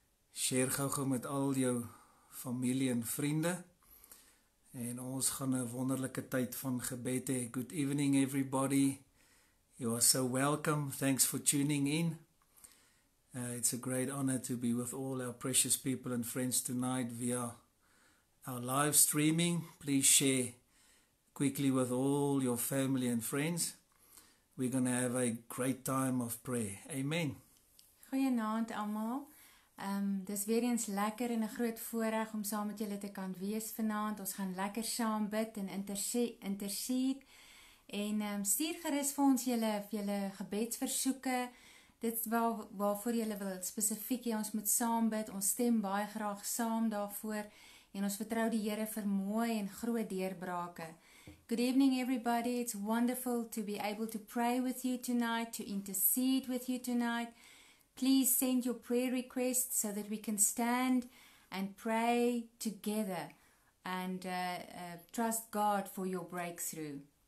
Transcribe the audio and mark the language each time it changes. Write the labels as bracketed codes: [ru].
[af] Share gou-gou met al jou familie en vriende. En ons gaan 'n wonderlike tyd van gebed hê. [en] Good evening, everybody. You are so welcome. Thanks for tuning in. It's a great honor to be with all our precious people and friends tonight via our live streaming. Please share quickly with all your family and friends. We're going to have a great time of prayer. Amen. [af] Goeienaand almal. Dis weer eens lekker en 'n groot voorreg om saam met julle te kan wees vanaand. Ons gaan lekker saam bid en intercede. En stuur gerus vir ons julle gebedsversoeke. Dit is waarvoor julle wil spesifiek hê ons moet saam bid. Ons stem baie graag saam daarvoor. En ons vertrou die Here vir mooi en groot deurbrake. [en] Good evening everybody. It's wonderful to be able to pray with you tonight, to intercede with you tonight. Please send your prayer requests so that we can stand and pray together and trust God for your breakthrough.